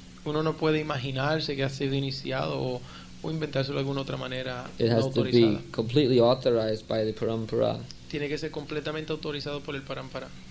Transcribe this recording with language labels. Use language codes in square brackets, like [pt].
[es] Uno no puede imaginarse que ha sido iniciado o inventárselo de alguna otra manera no autorizada. [en] It has to be completely authorized by the parampara. [es] Tiene que ser completamente autorizado por el parampara.